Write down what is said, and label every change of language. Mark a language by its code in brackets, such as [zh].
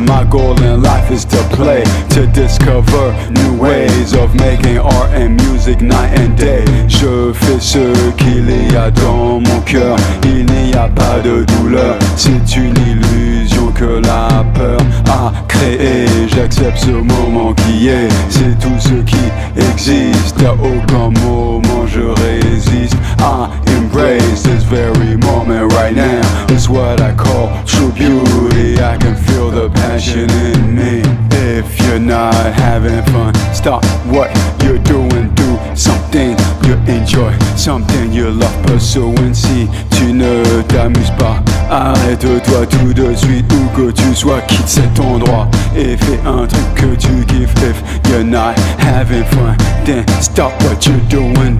[en] goal in life is to play, to discover new ways of making art and music night and day. [fr] Je fais ce qu'il y a dans mon cœur, il n'y a pas de douleur. C'est une illusion que la peur a créée. J'accepte ce moment qui est, c'est tout ce qui existe. À aucun moment je résiste. [en] I embrace this very moment right now. It's what I call true beauty. I can feel the passion in me. If you're not having fun, stop what you're doing. Do something you enjoy, something you love. Pursue and see, [fr] tu ne t'amuses pas. Arrête-toi tout de suite, où que tu sois. Quitte cet endroit et fais un truc que tu kiffes. [en] If you're not having fun, then stop what you're doing.